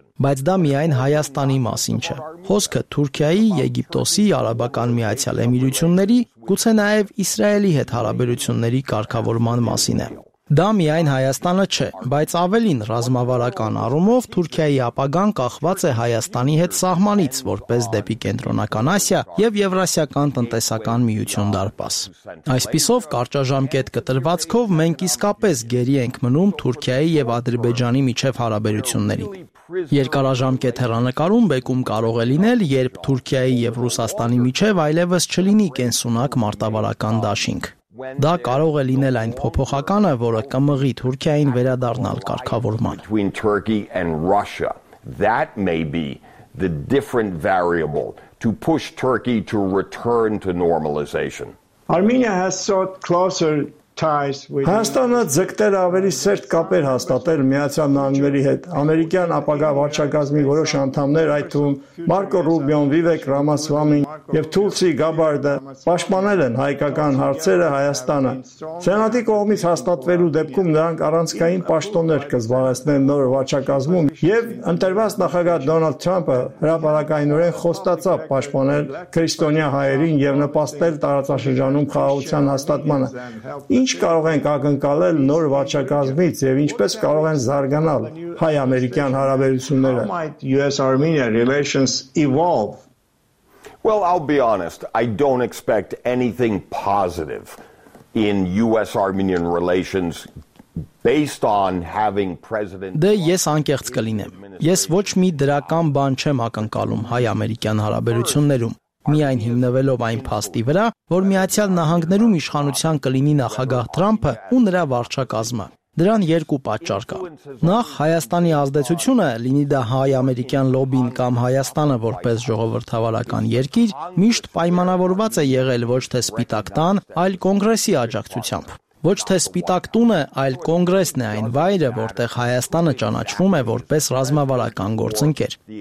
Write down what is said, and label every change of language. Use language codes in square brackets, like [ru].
[hy] Բայց դա միայն Հայաստանի մասին չէ։ Խոսքը Թուրքիայի, Եգիպտոսի, Արաբական Միացյալ Էմիրությունների, գուցե նաև Իսրայելի հետ հարաբերությունների կարգավորման մասին է։ Դա միայն Հայաստանը չէ, բայց ավելին ռազմավարական առումով Թուրքիայի ապագան կախված է Հայաստանի հետ սահմանից, որպես դեպի կենտրոնական Ասիա եւ Եվրասիական տնտեսական միություն դարպաս։ Այսպիսով կարճաժամկետ կտրվածքով մենք իսկապես գերի ենք մնում Թուրքիայի եւ Ադրբեջանի միջև հարաբերությունների։ Երկարաժամկետ հեռանկարում բեկում կարող է լինել, երբ Թուրքիայի եւ Ռուսաստանի միջև այլևս չլինի կենսունակ մարտավարական դաշինք։ Դա կարող է լինել այն փոփոխականը, որը կմղի Թուրքիային վերադառնալ կարգավորման։ [en] Between Turkey and Russia, that may be the different variable to push Turkey to return to normalization. Armenia has sought closer ties with [hy] Հայաստանը ձգտել ավելի սերտ կապեր հաստատել Միացյալ Նահանգների հետ։ Ամերիկյան ապագա վարչակազմի որոշ անդամներ, այդ թվում Մարկո Ռուբիոն, Վիվեկ Ռամասվամի եւ Թուլսի Գաբարդը, պաշտպանել են հայկական հարցերը Հայաստանը։ Սենատի կողմից հաստատվելու դեպքում նրանք առանցքային պաշտոններ կզբաղեցնեն նոր վարչակազմում, եւ ընտրված նախագահ Դոնալդ Թրամփը հրապարակայնորեն խոստացավ պաշտպանել քրիստոնյա հայերին եւ նպաստել տարածաշրջանում խաղաղության հաստատմանը։ Ինչ կարող ենք ակնկալել նոր վարչակազմից եւ ինչպես կարող են զարգանալ հայ-ամերիկյան հարաբերությունները? [en] US-Armenia relations evolve. Well, I'll be honest, I don't expect anything positive in US-Armenian relations based on having president. [hy] Դե ես անկեղծ կլինեմ, ես ոչ մի դրական բան չեմ ակնկալում հայ-ամերիկյան հարաբերություններում, Միայն հիմնվելով այն փաստի վրա, որ Միացյալ Նահանգներում իշխանության կլինի նախագահ Թրամփը ու նրա վարչակազմը։ Դրան երկու պատճառ կա։ Նախ, Հայաստանի ազդեցությունը, լինի դա հայ-ամերիկյան լոբին կամ Հայաստանը որպես ժողովրդավարական երկիր, միշտ պայմանավորված է եղել ոչ թե Սպիտակ տան, այլ կոնգրեսի աջակցությամբ։ Ոչ թե Սպիտակ տունը, այլ կոնգրեսն է այն վայրը, որտեղ Հայաստանը ճանաչվում է որպես ռազմավարական գործընկեր։